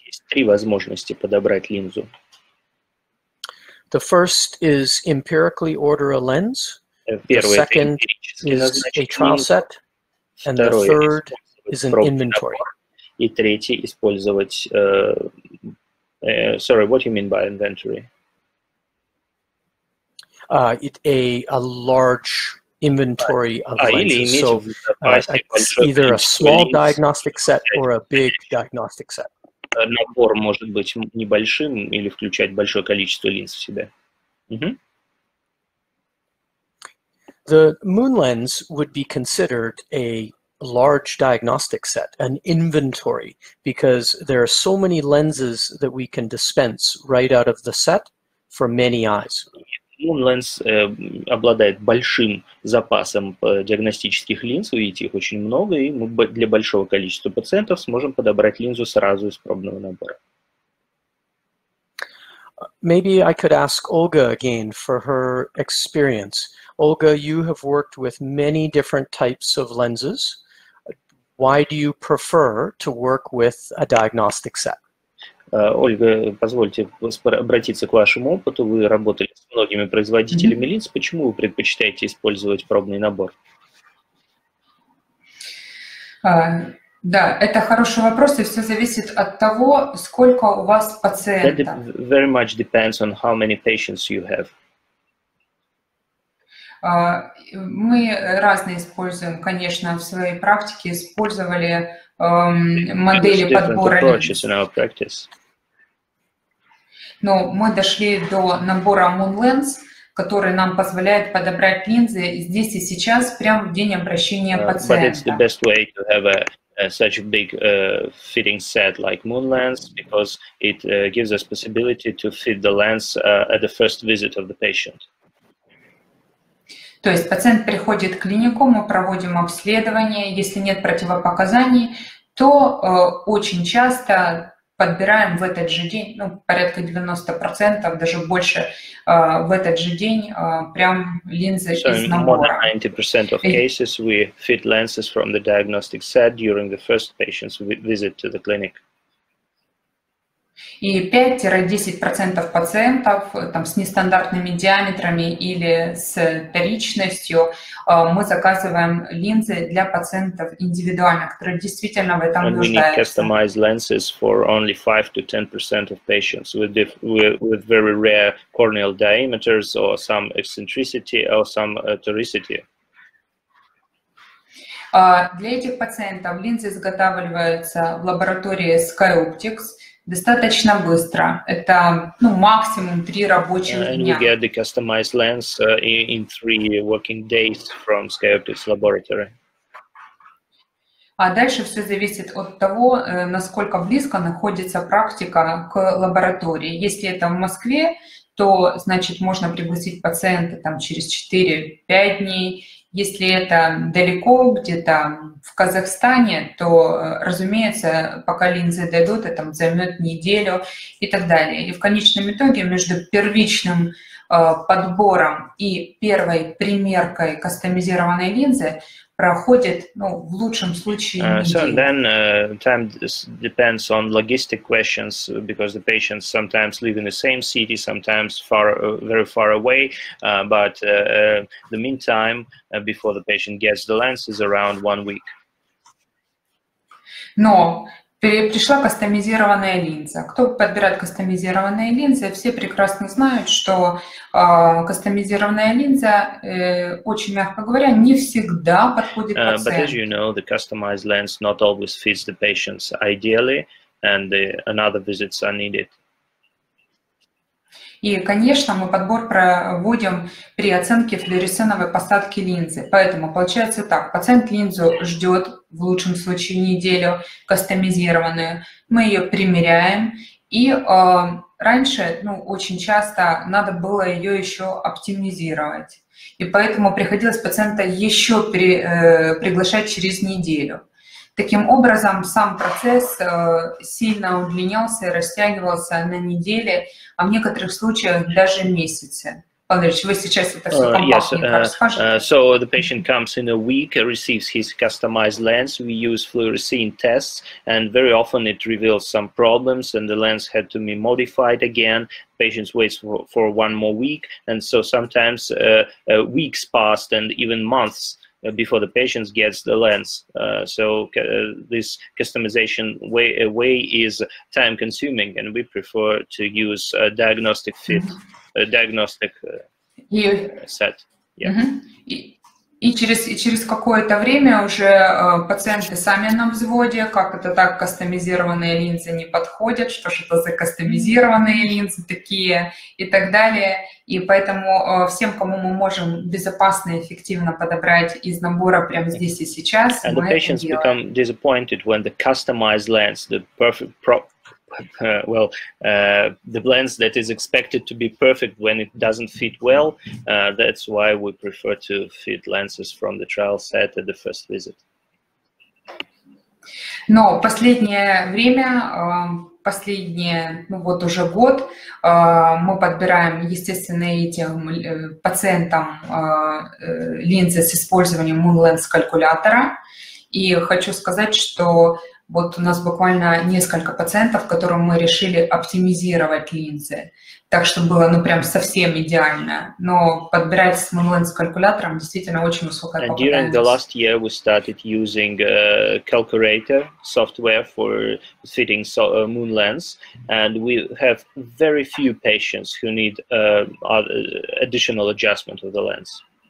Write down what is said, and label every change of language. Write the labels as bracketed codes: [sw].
[ru] Есть три возможности подобрать линзу. [en] The first is empirically order a lens, the second is a trial set, and the third is an inventory. [ru] И третий использовать, [en] what do you mean by inventory? A large inventory of lenses, so it's either a small diagnostic set or a big diagnostic set. [ru] Набор может быть небольшим или включать большое количество линз в себя. Mm-hmm. [en] The moon lens would be considered a large diagnostic set, an inventory, because there are so many lenses that we can dispense right out of the set for many eyes. [ru] Moon lens обладает большим запасом диагностических линз, вы видите, их очень много, и мы для большого количества пациентов сможем подобрать линзу сразу из пробного набора. [en] Maybe I could ask Olga again for her experience. Olga, you have worked with many different types of lenses. Why do you prefer to work with a diagnostic set? [ru] Ольга, позвольте обратиться к вашему опыту. Вы работали с многими производителями линз. Почему вы предпочитаете использовать пробный набор? Да, это хороший вопрос, и все зависит от того, сколько у вас пациентов. [en] That very much depends on how many patients you have. [ru] Мы разные используем, конечно, в своей практике использовали модели подбора. [en] Approaches in our practice. [ru] Но мы дошли до набора MoonLens, который нам позволяет подобрать линзы здесь и сейчас, прямо в день обращения пациента. [en] But it's the best way to have such a big fitting set like MoonLens, because it gives us possibility to fit the lens at the first visit of the patient. [ru] То есть пациент приходит в клинику, мы проводим обследование, если нет противопоказаний, то очень часто подбираем в этот же день, ну, порядка 90%, даже больше, в этот же день прям линзы из набора. [en] So in more than 90% of cases, we fit lenses from the diagnostic set during the first patient's visit to the clinic. [ru] И 5-10% пациентов там, с нестандартными диаметрами или с вторичностью мы заказываем линзы для пациентов индивидуально, которые действительно в этом нуждаются. [en] And we need customized lenses for only 5-10% of patients with very rare corneal diameters or some eccentricity or some toricity. [ru] Для этих пациентов линзы изготавливаются в лаборатории SkyOptix. Достаточно быстро. Это, ну, максимум 3 рабочих дня. [en] And we get the customized lens in 3 working days from SkyOptix laboratory. [ru] А дальше все зависит от того, насколько близко находится практика к лаборатории. Если это в Москве, то, значит, можно пригласить пациента там через 4-5 дней. Если это далеко, где-то в Казахстане, то, разумеется, пока линзы дойдут, это займет неделю и так далее. И в конечном итоге между первичным подбором и первой примеркой кастомизированной линзы проходит, ну, в лучшем случае, неделю. [en] So then time depends on logistic questions, because the patients sometimes live in the same city, sometimes far, very far away, but the meantime, before the patient gets the lens, is around 1 week. [ru] Но пришла кастомизированная линза. Кто подбирает кастомизированные линзы, все прекрасно знают, что кастомизированная линза, очень мягко говоря, не всегда подходит пациенту. [en] But as you know, the customized lens not always fits the patients ideally, and the, another visits are needed. [ru] И, конечно, мы подбор проводим при оценке флуоресценовой посадки линзы. Поэтому получается так. Пациент линзу ждет, в лучшем случае, неделю кастомизированную. Мы ее примеряем. И раньше, ну, очень часто надо было ее еще оптимизировать. И поэтому приходилось пациента еще приглашать через неделю. Таким образом, сам процесс сильно удлинялся и растягивался на неделе, а в некоторых случаях даже месяцы. Павлович, вы сейчас это все компактненько расскажете. [en] So the patient comes in a week, receives his customized lens. We use fluorescein tests, and very often it reveals some problems, and the lens had to be modified again. Patients wait for one more week, and so sometimes weeks passed and even months before the patient gets the lens. This customization way is time consuming, and we prefer to use a diagnostic fit, a diagnostic set. Yeah. [ru] И через какое-то время уже пациенты сами на взводе, как это так, кастомизированные линзы не подходят, что же это за кастомизированные линзы такие и так далее. И поэтому всем, кому мы можем безопасно и эффективно подобрать из набора прямо здесь и сейчас, [en] and [ru] мы это делаем. [en] And the patients become disappointed when the customized lens, the perfect prop, well, the lens that is expected to be perfect when it doesn't fit well, that's why we prefer to fit lenses from the trial set at the first visit. [ru] Но последнее время, последние, ну вот уже год, мы подбираем, естественно, этим пациентам линзы с использованием MoonLens калькулятора. И хочу сказать, что Вот у нас буквально несколько пациентов, которым мы решили оптимизировать линзы, так, чтобы было, ну, прям совсем идеально. Но подбирать с MoonLens калькулятором действительно очень высокая попадаемость. [en] During the last year we started using a calculator software for fitting MoonLens, and we have very few patients who need additional adjustment of the lens.